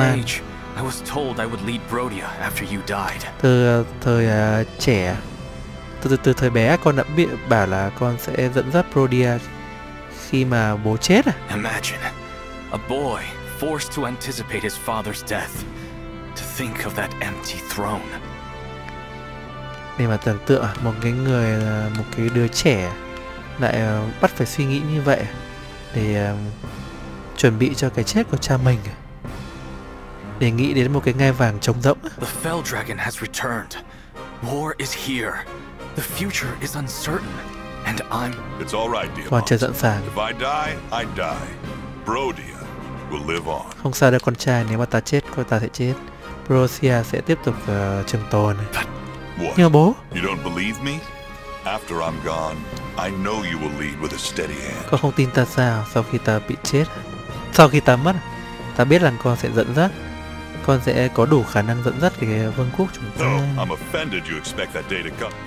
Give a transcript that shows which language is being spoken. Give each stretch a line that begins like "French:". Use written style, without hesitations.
English: age, I was told I would lead Brodia after you died.
Vietnamese: Từ thời trẻ, từ thời bé, con đã bị bảo là con sẽ dẫn dắt Brodia khi mà bố chết.
English: Imagine a boy forced to anticipate his father's death, to think of that empty throne.
Vietnamese: Nên mà tưởng tượng một cái người, một cái đứa trẻ lại bắt phải suy nghĩ như vậy để chuẩn bị cho cái chết của cha mình, để nghĩ đến một cái ngai vàng trống rỗng.
English: The Fell Dragon has returned. War is here. The future is uncertain, and I'm. It's all right, dear.
Vietnamese: Con chưa sẵn sàng.
English: If I die, I die. Brodia will live on.
Vietnamese: Không sao đâu con trai, nếu mà ta chết, con ta sẽ chết. Brodia sẽ tiếp tục trường tồn.
English: But what?
Vietnamese: Nhưng bố.
English: You don't believe me? After I'm gone, I know you will lead with a steady hand.
Vietnamese: Con không tin ta sao? Sau khi ta bị chết, sau khi ta mất, ta biết rằng con sẽ dẫn dắt. Con sẽ có đủ khả năng dẫn dắt cái vương quốc chúng ta.
English: No, I'm offended you expect that day to come.